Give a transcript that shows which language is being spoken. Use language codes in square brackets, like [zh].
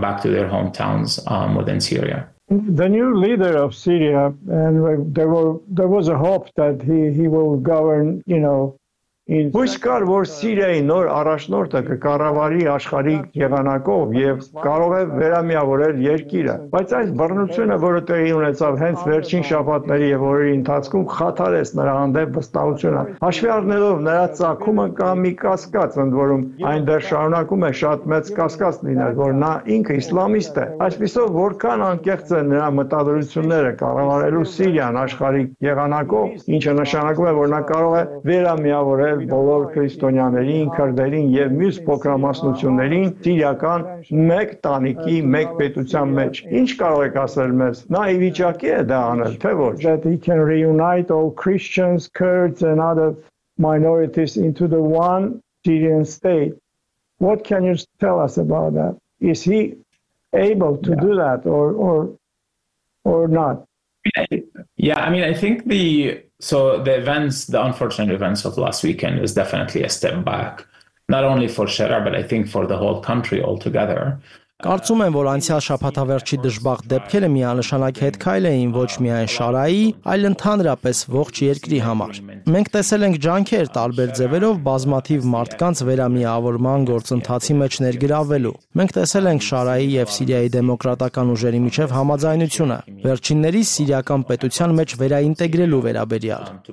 [en] The new leader of Syria, and there was a hope that he will govern, you know, in [hy] Ոչ կար որ Սիրիայի նոր առաջնորդը կկառավարի աշխարհի եղանակով եւ կարող է վերամիավորել երկիրը, բայց այս բռնությունը, որը տեղի ունեցավ հենց վերջին շաբաթների եւ օրերի ընթացքում, խաթարեց նրա հանդեպ վստահությունը, հաշվի առնելով նրա ցակումը կամ մի կասկած, ընդ որում այն դեռ շարունակում է շատ մեծ կասկած լինել, որ նա ինքը իսլամիստ է։ Այսպիսով որքան անկեղծ են նրա մտադրությունները կառավարելու Սիրիան աշխարհի եղանակով, ինչը նշանակում է, որ նա կարող է վերամիավորել բոլոր քրիստոնյաներին, քրդերին եւ մյուս փոքրամասնություններին սիրական մեկ տանիքի, մեկ պետության մեջ։ Ինչ կարող եք ասել մեզ, նա ի վիճակի է դա անել, թե ոչ? [en] That he can reunite all Christians, Kurds and other minorities into the one Syrian state. What can you tell us about that? Is he able to do that or not? Yeah, I mean, I think the unfortunate events of last weekend is definitely a step back, not only for Sharjah, but I think for the whole country altogether. [hy] Կարծում եմ, որ անցյալ շաբաթավերջի դժբախտ դեպքերը միանշանակ հետքայլ էին ոչ միայն Շարայի, այլ ընդհանրապես ողջ երկրի համար։ Մենք տեսել ենք ջանքեր տարբեր ձևերով բազմաթիվ մարդկանց վերամիավորման գործընթացի մեջ ներգրավելու։ Մենք տեսել ենք Շարայի եւ Սիրիայի դեմոկրատական ուժերի միջև համաձայնությունը վերջիններիս սիրիական պետության մեջ վերաինտեգրելու վերաբերյալ։